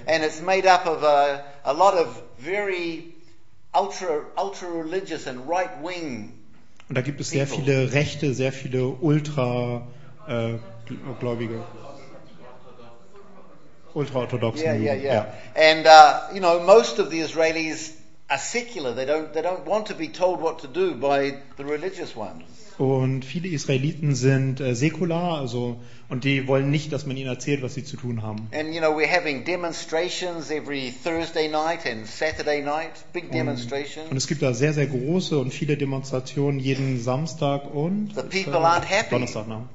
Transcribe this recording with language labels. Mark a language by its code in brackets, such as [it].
[en] And it's made up of a lot of very ultra religious and right wing. [de] Und da gibt es sehr viele Rechte, sehr viele ultra Gläubige. Ultra-orthodoxen. [en] Yeah. And you know, most of the Israelis are secular. They don't want to be told what to do by the religious ones. [de] Und viele Israeliten sind säkular, also, und die wollen nicht, dass man ihnen erzählt, was sie zu tun haben. [en] And you know, we're having demonstrations every Thursday night and Saturday night, big demonstrations. [de] Und es gibt da sehr, sehr große und viele Demonstrationen jeden Samstag und Donnerstag.